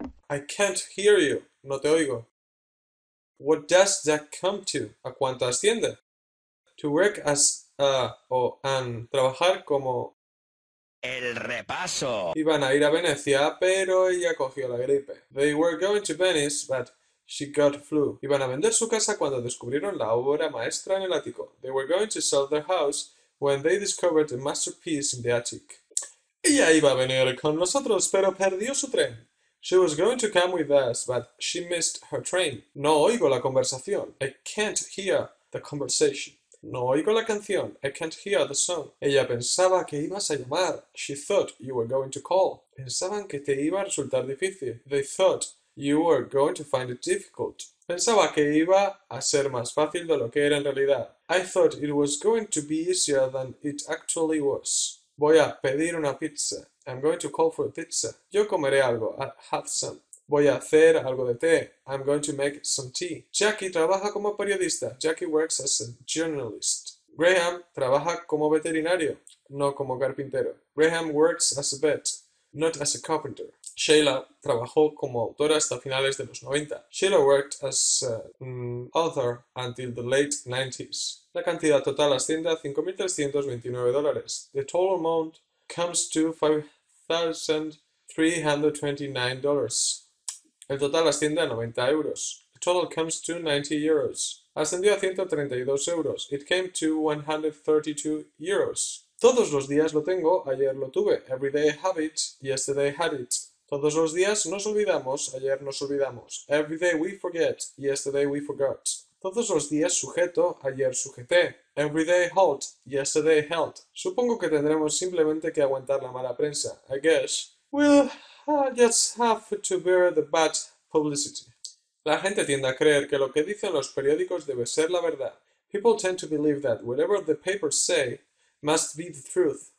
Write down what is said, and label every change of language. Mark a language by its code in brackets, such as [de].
[en] I can't hear you. [es] No te oigo. [en] What does that come to? [es] ¿A cuánto asciende? [en] To work as a o an. Trabajar como... [es] El repaso. Iban a ir a Venecia, pero ella cogió la gripe. [en] They were going to Venice, but she got flu. [es] Iban a vender su casa cuando descubrieron la obra maestra en el ático. [en] They were going to sell their house when they discovered a masterpiece in the attic. [es] Ella iba a venir con nosotros, pero perdió su tren. [en] She was going to come with us, but she missed her train. [es] No oigo la conversación. [en] I can't hear the conversation. [es] No oigo la canción. [en] I can't hear the song. [es] Ella pensaba que ibas a llamar. [en] She thought you were going to call. [es] Pensaban que te iba a resultar difícil. [en] They thought you were going to find it difficult. [es] Pensaba que iba a ser más fácil de lo que era en realidad. [en] I thought it was going to be easier than it actually was. [es] Voy a pedir una pizza. [en] I'm going to call for a pizza. [es] Yo comeré algo. [en] I'll have some. [es] Voy a hacer algo de té. [en] I'm going to make some tea. [es] Jackie trabaja como periodista. [en] Jackie works as a journalist. [es] Graham trabaja como veterinario, no como carpintero. [en] Graham works as a vet, not as a carpenter. [es] Sheila trabajó como autora hasta finales de los 90. [en] Sheila worked as an author until the late 90s. [es] La cantidad total asciende a $5,329. [en] The total amount comes to $5,329. [es] El total asciende a 90 euros. [en] The total comes to 90 euros. [es] Ascendió a 132 euros. [en] It came to 132 euros. [es] Todos los días lo tengo, ayer lo tuve. [en] Every day I have it, yesterday I had it. [es] Todos los días nos olvidamos, ayer nos olvidamos. [en] Every day we forget, yesterday we forgot. [es] Todos los días sujeto, ayer sujeté. [en] Every day halt, yesterday held. [es] Supongo que tendremos simplemente que aguantar la mala prensa. [en] I guess we'll just have to bear the bad publicity. [es] La gente tiende a creer que lo que dicen los periódicos debe ser la verdad. [en] People tend to believe that whatever the papers say must be the truth.